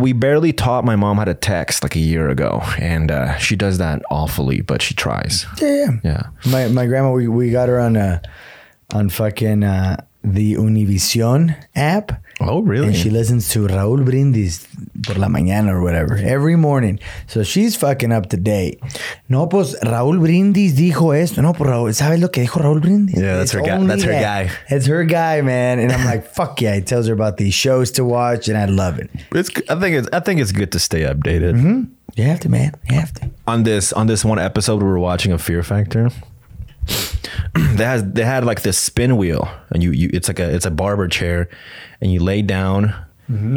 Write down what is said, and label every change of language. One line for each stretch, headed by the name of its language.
English: We barely taught my mom how to text like a year ago, and she does that awfully, but she tries. Yeah. My grandma, we got her on fucking the Univision app. Oh, really? And she listens to Raul Brindis por la mañana or whatever every morning. So she's fucking up to date.
Spanish: No, pues Raul Brindis dijo esto. No, pues Raul, ¿sabes lo que dijo Raul Brindis?
English: Yeah, that's her guy. That's her guy. It's her guy, man. And I'm like, fuck yeah. He tells her about these shows to watch and I love it. I think it's good to stay updated. Mm-hmm. You have to, man. You have to. On this one episode, we were watching a Fear Factor. they had like this spin wheel, and you it's like a barber chair, and you lay down, mm-hmm.